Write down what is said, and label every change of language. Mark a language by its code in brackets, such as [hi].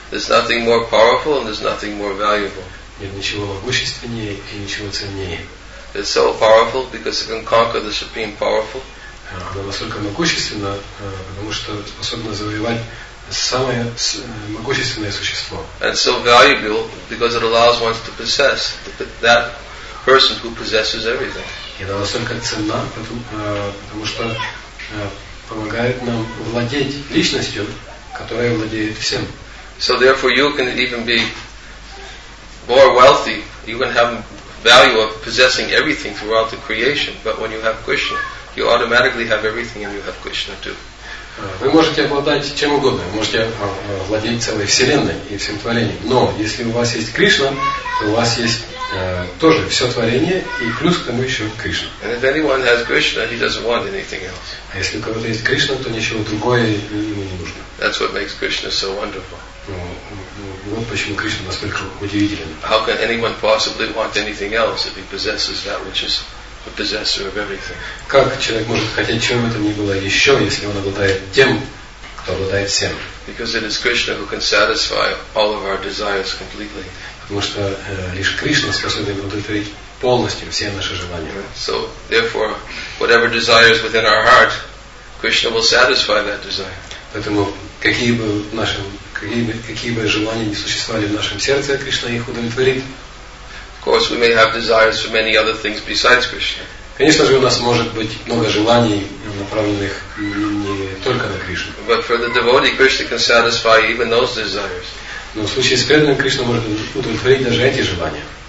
[en] There's nothing more powerful and there's nothing more valuable. [ru] Нет ничего могущественнее и ничего ценнее. [en] It's so powerful because it can conquer the supreme powerful. [ru] Оно настолько могущественно, потому что способно завоевать самое могущественное существо. [en] And so valuable because it allows one to possess that person who possesses everything. [ru] И она настолько ценна, потому что помогает нам владеть личностью, которая владеет всем. [en] So therefore you can even be more wealthy, you can have value of possessing everything throughout the creation, but when you have Krishna, you automatically have everything and you have Krishna too. [ru] Вы можете обладать чем угодно, можете владеть целой вселенной и всем творением, но если у вас есть Кришна, то у вас есть тоже все творение и плюс к тому еще Кришна. [en] And if anyone has Krishna, he doesn't want anything else. [ru] А если у кого-то есть Кришна, то ничего другое ему не нужно. [en] That's what makes Krishna so wonderful. [ru] Вот почему Кришна настолько удивителен. [en] How can anyone possibly want anything else if he possesses that which is the possessor of everything? [ru] Как человек может хотеть чего бы то ни было еще, если он обладает тем, кто обладает всем? [en] Because it is Krishna who can satisfy all of our desires completely. [ru] Потому что лишь Кришна способен удовлетворить полностью все наши желания. [en] So, therefore, whatever desires within our heart, Krishna will satisfy that desire. [ru] Поэтому какие бы желания ни существовали в нашем сердце, Кришна их удовлетворит. [en] Of course, we may have desires for many other things besides Krishna. [ru] Конечно же, у нас может быть много желаний, направленных не только на Кришну. [en] But for the devotee, Krishna can satisfy even those desires. [ru] Но в случае с преданным Кришна может удовлетворить даже эти желания.